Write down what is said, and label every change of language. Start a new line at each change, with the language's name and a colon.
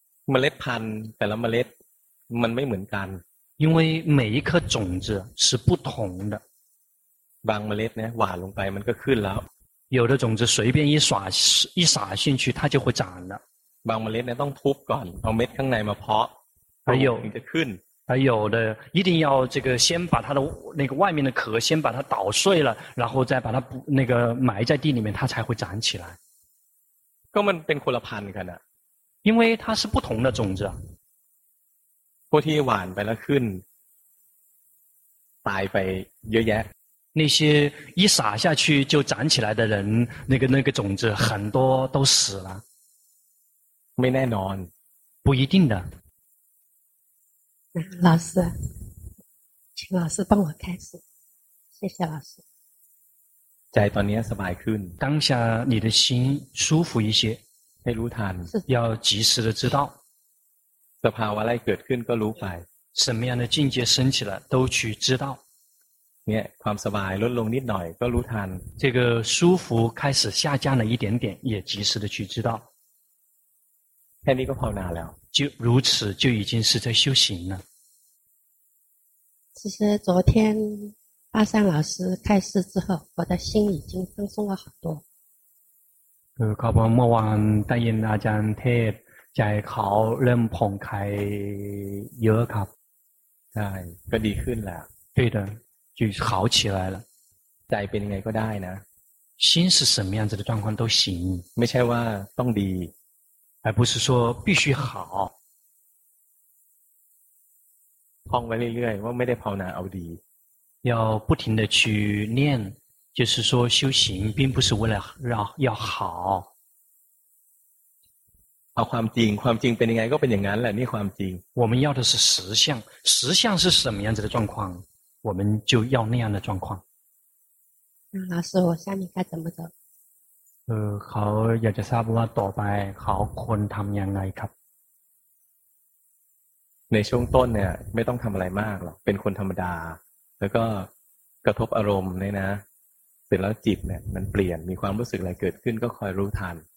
Thai: เมล็ดพันธุ์แต่ละเมล็ดมันไม่เหมือนกัน
Chinese: 因为每一颗种子是不同的
Thai: บางเมล็ดนะหว่านลงไปมันก็ขึ้นแล้ว
Chinese: 有的种子随便一撒进去它就会长了
Thai: บางเมล็ดนะต้องทุบก่อนเอาเม็ดข้างในมาเพาะ
Chinese: 还有
Thai: จะขึ้น
Chinese: 有的一定要这个先把它的那个外面的壳先把它捣碎了，然后再把它那个埋在地里面，它才会长起来。
Thai: ก็มันเป็นคนละพันธุ์กันอ่ะ
Chinese: 因为它是不同的种子。
Thai: พวกที่หว่านไปแล้วขึ้นตายไปเยอะแยะ
Chinese: 那些一撒下去就长起来的人，那个种子很多都死了。
Thai: ไม่แน่นอน
Chinese: 不一定的。老师，请老师帮我开始，谢谢老师。
Thai: 在ตอนนี้สบายขึ้น
Chinese: 当下你的心舒服一些，
Thai: ให้รู้ทัน
Chinese: 要及时的知道。
Thai: สภาวะอะไรเกิดขึ้นก็รู้ไป
Chinese: 什么样的境界升起了都去知道。
Thai: เนี่ยความสบายลดลงนิดหน่อยก็รู้ทัน
Chinese: 这个舒服开始下降了一点点，也及时的去知道。
Thai: แค่นี้ก็ภาวนาแล้ว
Chinese: 就如此就已经是在修行了。其实昨天阿善老师开示之后，我的心已经放松了很多。
Thai: ครับผมเมื่อวานได้ยินอาจารย์เทศใจเขาเริ่มผ่องคลายเยอะครับ ใช่ก็ดีขึ้นแล้ว
Chinese: 对的就好起来了
Thai: ใจเป็นยังไงก็ได้นะ
Chinese: 心是什么样子的状况都行
Thai: ไม่ใช่ว่าต้องดี
Chinese: 而不是说必须好
Thai: ท่องไปเรื่อยๆว่าไม่ได้ภาวนาเอาดี
Chinese: 要不停的去念就是说修行并不是为了要好
Thai: เอาความจริงความจริงเป็นยังไงก็เป็นอย่างนั้นแหละนี่ความจริง
Chinese: 我们要的是实相实相是什么样子的状况我们就要那样的状况那老师我下面该怎么走
Thai: เขาอยากจะทราบว่าต่อไปเขาควรทำยังไงครับ ในช่วงต้นเนี่ยไม่ต้องทำอะไรมากหรอกเป็นคนธรรมดาแล้วก็กระทบอารมณ์เนี่ยนะเสร็จแล้วจิตเนี่ยมันเปลี่ยนมีความรู้สึกอะไรเกิดขึ้นก็คอยรู้ทัน